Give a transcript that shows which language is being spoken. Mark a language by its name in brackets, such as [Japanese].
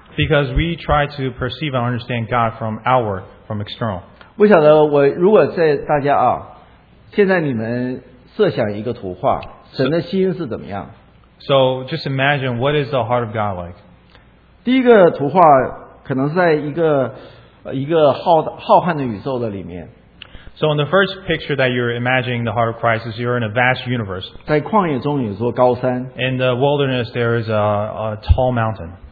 [English] Because we try to perceive and understand God from our from external. [Chinese] 不晓得我如果在大家啊， 现在你们设想一个图画， 神的心是怎么样？ [English] So just imagine what is the heart of God like? [Chinese] 第一个图画可能是在一个浩瀚的宇宙的里面。 [English] So in the first picture that you're imagining the heart of Christ is you're in a vast universe. [Chinese] 在旷野中有座高山。 [English] In the wilderness there is a tall mountain.